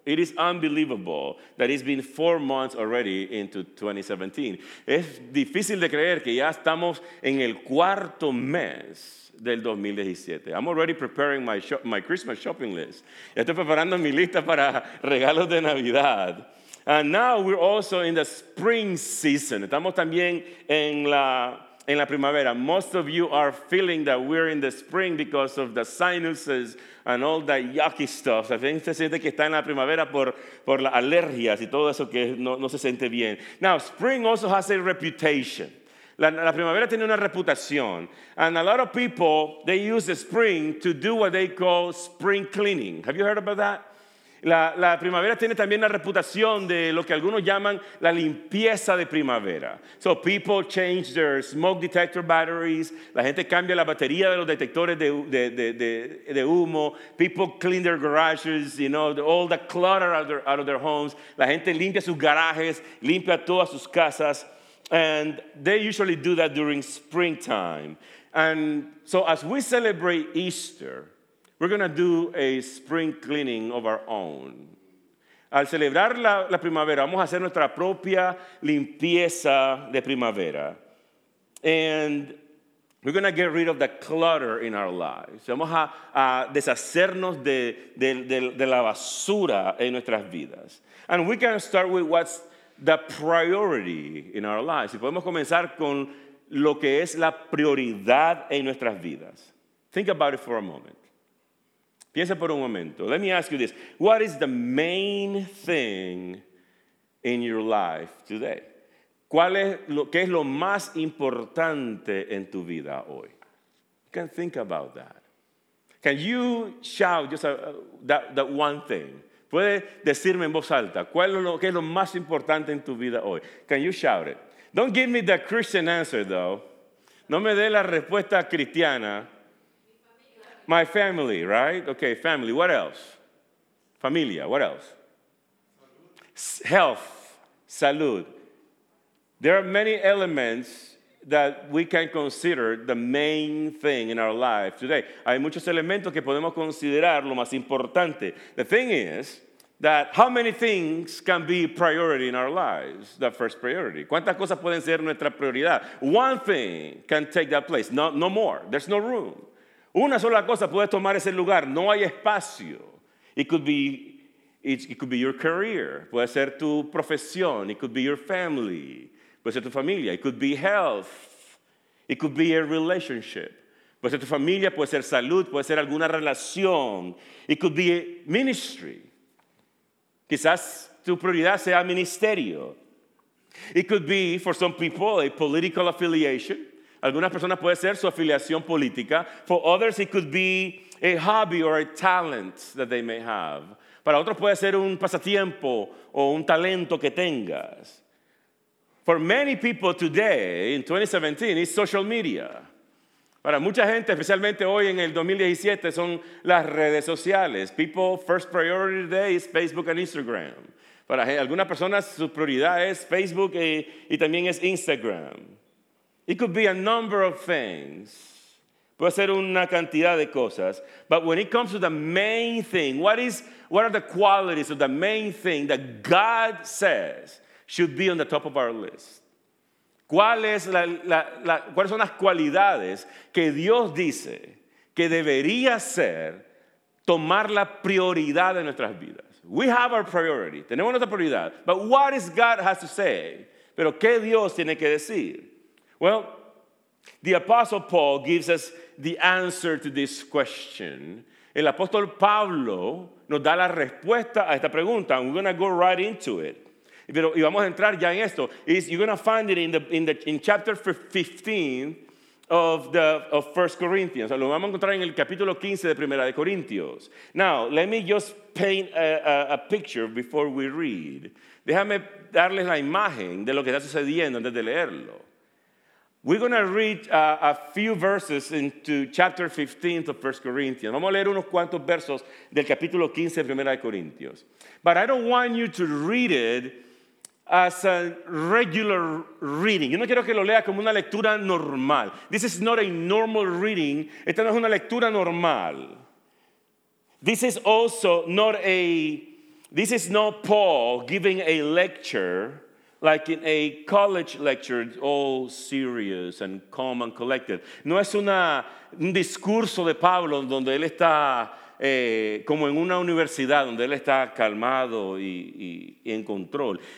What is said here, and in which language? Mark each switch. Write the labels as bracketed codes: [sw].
[en] It is unbelievable that it's been 4 months already into 2017. [es] Es difícil de creer que ya estamos en el cuarto mes del 2017. [en] I'm already preparing my Christmas shopping list. [es] Estoy preparando mi lista para regalos de Navidad. [en] And now we're also in the spring season. [es] Estamos también en la primavera. [en] Most of you are feeling that we're in the spring because of the sinuses and all that yucky stuff. [es] La gente siente que está en la primavera por las alergias y todo eso que no se siente bien. [en] Now, spring also has a reputation. [es] La primavera tiene una reputación. [en] And a lot of people, they use the spring to do what they call spring cleaning. Have you heard about that? [es] La primavera tiene también la reputación de lo que algunos llaman la limpieza de primavera. [en] So people change their smoke detector batteries. [es] La gente cambia la batería de los detectores de humo. [en] People clean their garages, you know, all the clutter out of their homes. [es] La gente limpia sus garajes, limpia todas sus casas. [en] And they usually do that during springtime. And so as we celebrate Easter, we're going to do a spring cleaning of our own. [es] Al celebrar la primavera, vamos a hacer nuestra propia limpieza de primavera. [en] And we're going to get rid of the clutter in our lives. [es] Vamos a deshacernos de la basura en nuestras vidas. [en] And we can start with what's the priority in our lives. [es] Y podemos comenzar con lo que es la prioridad en nuestras vidas. [en] Think about it for a moment. [es] Piensa por un momento. [en] Let me ask you this. What is the main thing in your life today? [es] ¿Qué es lo más importante en tu vida hoy? [en] You can think about that. Can you shout just that one thing? [es] ¿Puede decirme en voz alta qué es lo más importante en tu vida hoy? [en] Can you shout it? Don't give me the Christian answer, though. [es] No me dé la respuesta cristiana. [en] My family, right? Okay, family. What else? Familia. What else? Health. Salud. There are many elements that we can consider the main thing in our life today. [es] Hay muchos elementos que podemos considerar lo más importante. [en] The thing is that how many things can be priority in our lives, the first priority? [es] ¿Cuántas cosas pueden ser nuestra prioridad? [en] One thing can take that place. No more. There's no room. [es] Una sola cosa puede tomar ese lugar. No hay espacio. [en] It could be your career. [es] Puede ser tu profesión. [en] It could be your family. [es] Puede ser tu familia. [en] It could be health. It could be a relationship. [es] Puede ser tu familia. Puede ser salud. Puede ser alguna relación. [en] It could be ministry. [es] Quizás tu prioridad sea ministerio. [en] It could be, for some people, a political affiliation. [es] Algunas personas puede ser su afiliación política. [en] For others, it could be a hobby or a talent that they may have. [es] Para otros puede ser un pasatiempo o un talento que tengas. [en] For many people today, in 2017, it's social media. [es] Para mucha gente, especialmente hoy en el 2017, son las redes sociales. [en] People, first priority today is Facebook and Instagram. [es] Para algunas personas, su prioridad es Facebook y también es Instagram. [en] It could be a number of things. [es] Puede ser una cantidad de cosas. [en] But when it comes to the main thing, what are the qualities of the main thing that God says should be on the top of our list? [es] ¿Cuáles son las cualidades que Dios dice que debería ser tomar la prioridad de nuestras vidas? [en] We have our priority. [es] Tenemos nuestra prioridad. [en] But what does God have to say? [es] ¿Pero qué Dios tiene que decir? [en] Well, the Apostle Paul gives us the answer to this question. [es] El apóstol Pablo nos da la respuesta a esta pregunta. [en] We're going to go right into it. [es] Pero, y vamos a entrar ya en esto. [en] You're going to find it in chapter 15 of 1 Corinthians. [es] Lo vamos a encontrar en el capítulo 15 de 1 de Corintios. [en] Now, let me just paint a picture before we read. [es] Déjame darles la imagen de lo que está sucediendo antes de leerlo. [en] We're going to read a few verses into chapter 15 of 1 Corinthians. [es] Vamos a leer unos cuantos versos del capítulo 15 de 1 Corintios. [en] But I don't want you to read it as a regular reading. [es] Yo no quiero que lo lea como una lectura normal. [en] This is not a normal reading. [es] Esta no es una lectura normal. [en] This is also not a... This is not Paul giving a lecture like in a college lecture, all serious and calm and collected. [es] No es un discurso de Pablo donde él está como en una universidad, donde él está calmado y en control.